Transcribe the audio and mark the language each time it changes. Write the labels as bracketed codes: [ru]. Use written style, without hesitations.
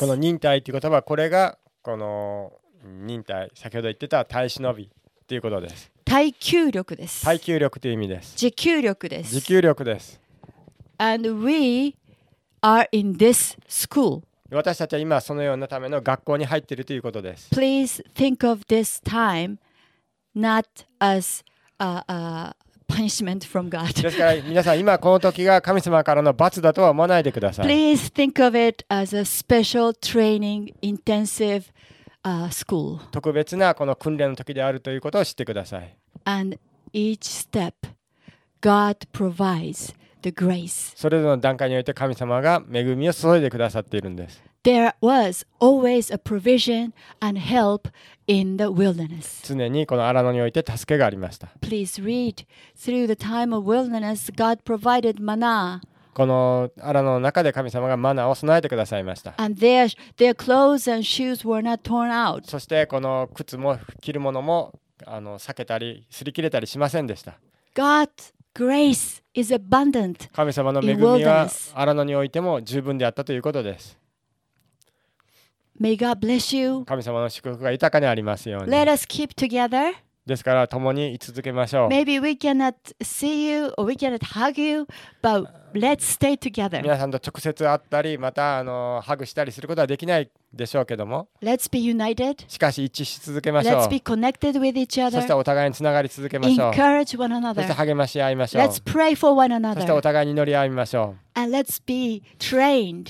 [ja] この忍耐という言葉、これがこの忍耐、先ほど言ってた耐え忍びということです。耐久力です。耐久力という意味です。持久力です。持久力です。 [en] And we are in this school. [ja] 私たちは今そのようなための学校に入っているということです。 [en] Please think of this time not as a punishment from God. [ja] ですから皆さん、今この時が神様からの罰だとは思わないでください。 [en] Please think of it as a special training intensive school. [ja] 特別なこの訓練の時であるということを知ってください。 [en] And each step, God provides. The grace. [ja] それぞれの段階において神様が恵みを注いでくださっているんです。 [en] There was always a provision and help in the wilderness. [ja] 常にこの荒野において助けがありました。 [en] Please read through the time of wilderness. God provided manna. [ja] この荒野の中で神様がマナを備えてくださいました。 [en] And their clothes and shoes were not torn out. [ja] そしてこの靴も着るものも裂けたり擦り切れたりしませんでした。 [en] God. Grace is abundant. [ja] 神様の恵みは荒野においても十分であったということです。 [en] May God bless you. [ja] 神様の祝福が豊かにありますように。 [en] Let us keep together. [ja] ですから共に居続けましょう。 [en] Maybe we cannot see you or we cannot hug you, but let's stay together. [ja] 皆さんと直接会ったり、またハグしたりすることはできないでしょうけども。 [en] Let's be united. [ja] しかし一致し続けましょう。 [en] Let's be connected with each other. [ja] そしてお互いにつながり続けましょう。 [en] Encourage one another. [ja] そして励まし合いましょう。 [en] Let's pray for one another. [ja] そしてお互いに祈り合いましょう。 [en] And let's be trained.